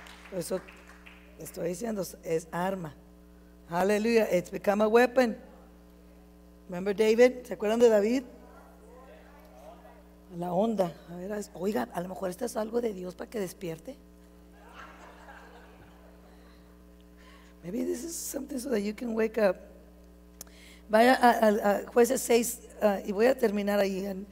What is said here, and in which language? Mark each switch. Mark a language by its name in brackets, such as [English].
[Spanish] Por eso estoy diciendo, es arma. Aleluya. [English] It's become a weapon. Remember David? [Spanish] ¿Se acuerdan de David? La onda. A ver, oiga, a lo mejor esto es algo de Dios para que despierte. [English] Maybe this is something so that you can wake up. [Spanish] Vaya a Jueces 6, y voy a terminar ahí.